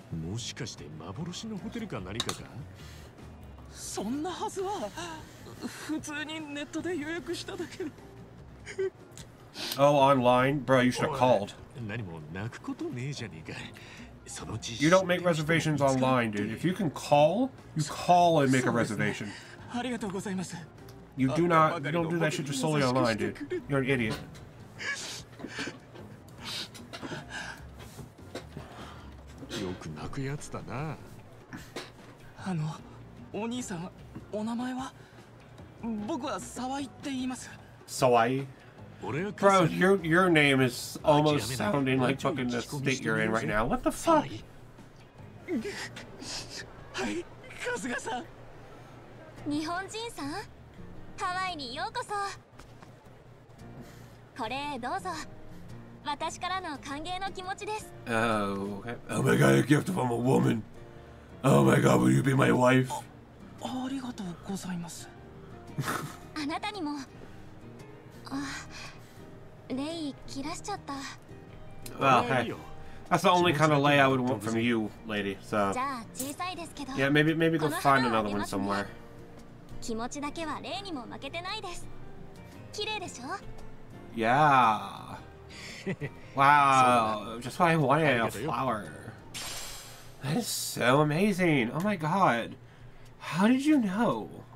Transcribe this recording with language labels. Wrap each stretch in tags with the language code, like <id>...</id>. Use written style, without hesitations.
<ja>もしかして幻のホテルか何かか？そんなはずは、普通にネットで予約しただけで。</ja> <en>Oh, online? Bro, you should have called.</en> <ja>何も泣くことねえじゃねえか。そのうち。</ja> <en>You don't make reservations online, dude. If you can call, you call and make a reservation.</en> <ja>ありがとうございます。</ja> <en>You do not, you don't do that shit just solely online, dude. You're an idiot.</en> <ja>よく泣くやつだな。あの、お兄さん、お名前は？僕は沢井って言います。沢井？</ja> <en>Bro, your name is almost sounding like fucking the state you're in right now. What the fuck?</en> <ja>はい、春日さん。日本人さん、ハワイにようこそ。これどうぞ。私からの歓迎の気持ちです。</ja> <en>Oh, okay. Oh my god, a gift from a woman. Oh my god, will you be my wife?</en> <ja>ありがとうございます。あなたにも。あ、レイ、切らしちゃった。</ja> <en>Well, hey. That's the only kind of lay I would want from you, lady, so.</en> <ja>じゃあ、小さいですけど。</ja> <en>Yeah, maybe go find another one somewhere.</en> <ja>気持ちだけはレイにも負けてないです。綺麗でしょ？</ja> <en>Yeah. Wow, just what I wanted, a flower. That is so amazing. Oh my god. How did you know?</en>